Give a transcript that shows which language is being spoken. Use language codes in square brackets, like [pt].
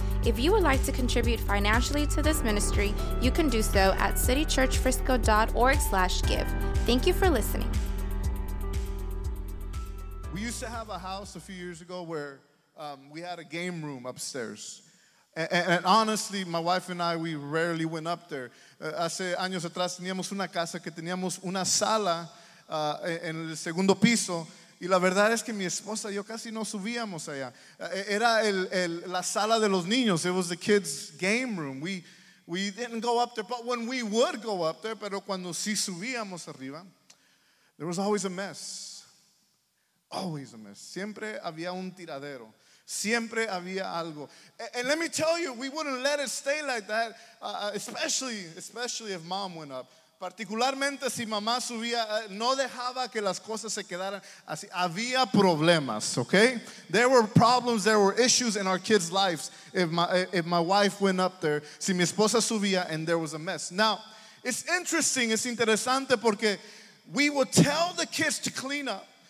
[en] If you would like to contribute financially to this ministry, you can do so at citychurchfrisco.org/give. Thank you for listening. We used to have a house a few years ago where we had a game room upstairs. And honestly, my wife and I, we rarely went up there. [es] Hace años atrás teníamos una casa que teníamos una sala en el segundo piso. Y la verdad es que mi esposa y yo casi no subíamos allá. Era la sala de los niños. [en] It was the kids' game room. We didn't go up there, but when we would go up there, [es] pero cuando sí subíamos arriba, [en] there was always a mess. Always a mess. [es] Siempre había un tiradero. Siempre había algo. [en] And let me tell you, we wouldn't let it stay like that, especially if mom went up. [es] Particularmente si mamá subía, no dejaba que las cosas se quedaran así. Había problemas, okay? [en] There were problems, there were issues in our kids' lives if my wife went up there, [es] si mi esposa subía, [en] and there was a mess. Now, it's interesting, it's [es] interesante porque [en] we would tell the kids to clean up.